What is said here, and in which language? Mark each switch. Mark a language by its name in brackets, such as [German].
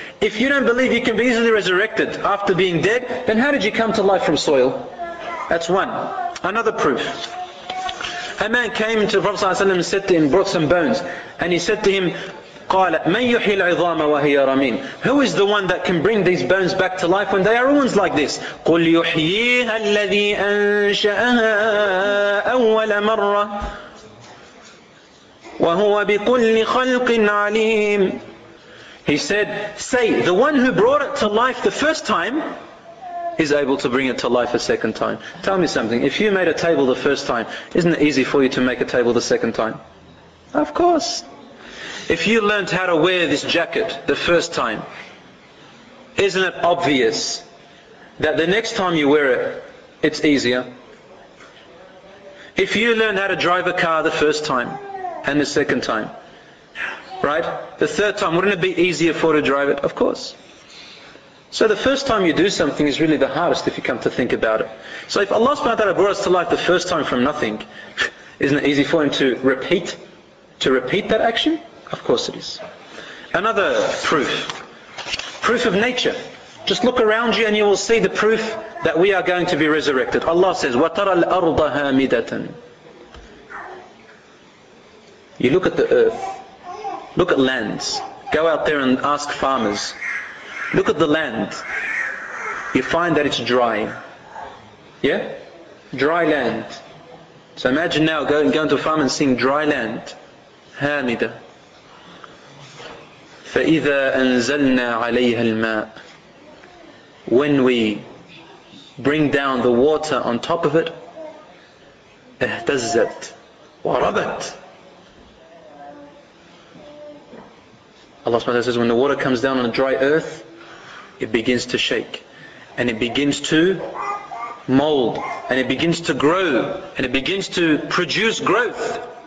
[English] If you don't believe you can be easily resurrected after being dead, then how did you come to life from soil? That's one. Another proof. A man came to the Prophet ﷺ and said to him, brought some bones, and he said to him, [Arabic] قال, من يحيي العظام وهي رميم? [English] Who is the one that can bring these bones back to life when they are ruins like this? [Arabic] قل يحييها الذي أنشأها أول مرة وهو بكل خلق عليم. [English] He said, say, the one who brought it to life the first time is able to bring it to life a second time. Tell me something, if you made a table the first time, isn't it easy for you to make a table the second time? Of course. If you learned how to wear this jacket the first time, isn't it obvious that the next time you wear it, it's easier? If you learn how to drive a car the first time and the second time, right? The third time, wouldn't it be easier for you to drive it? Of course. So the first time you do something is really the hardest if you come to think about it. So if Allah subhanahu wa ta'ala brought us to life the first time from nothing, isn't it easy for Him to repeat that action? Of course it is. Another proof. Proof of nature. Just look around you and you will see the proof that we are going to be resurrected. Allah says, [Arabic] وَتَرَى الْأَرْضَ هَامِدَةً. [English] You look at the earth. Look at lands. Go out there and ask farmers. Look at the land. You find that it's dry. Yeah? Dry land. So imagine now going to a farm and seeing dry land. [Arabic] هامدة. فإذا أنزلنا عليها الماء. [English] When we bring down the water on top of it, [Arabic] اهتزت وربت. [English] Allah says, when the water comes down on a dry earth, it begins to shake, and it begins to mold, and it begins to grow, and it begins to produce growth.